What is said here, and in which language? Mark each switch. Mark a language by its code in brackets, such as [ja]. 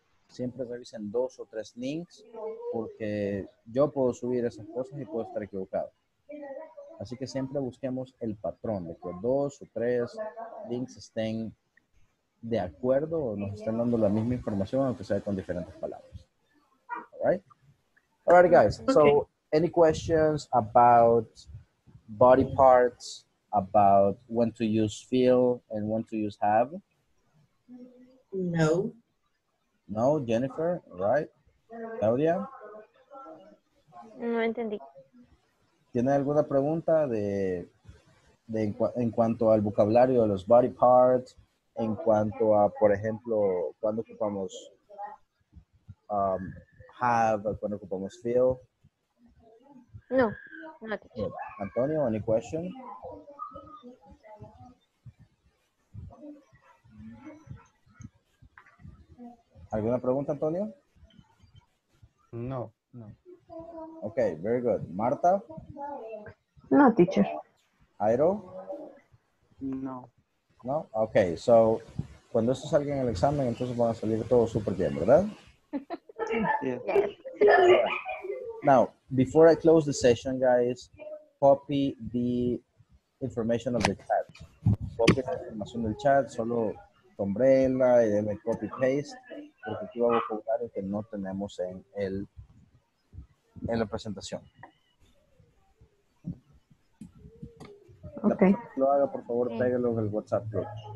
[es] Siempre revisen dos o tres links porque yo puedo subir esas cosas y puedo estar equivocado. Así que siempre busquemos el patrón de que dos o tres links estén de acuerdo o nos estén dando la misma información, aunque sea con diferentes palabras. [en] All right? All right, guys. Okay. So, any questions about body parts, about when to use feel and when to use have? No. No, Jennifer, right? Claudia? [es] No entendí. ¿Tiene alguna pregunta en cuanto al vocabulario de los body parts, en cuanto a, por ejemplo, cuando ocupamos have, cuando ocupamos feel? [en] No, not. Antonio, any question? [es] ¿Alguna pregunta, Antonio? No, no. [en] Okay, very good. ¿Marta? No, teacher. ¿Airo? No. No? [es] Okay, so, cuando esto salga en el examen, entonces van a salir todo súper bien, ¿verdad? [en] Yeah. Now, before I close the session, guys, copy the information of the chat. [es] Copy la información del chat, solo tombrela y denle copy-paste. Porque aquí va a ocupar el que no tenemos en la presentación. [en] Okay. [es] Lo haga, por favor, pégalo en el WhatsApp group.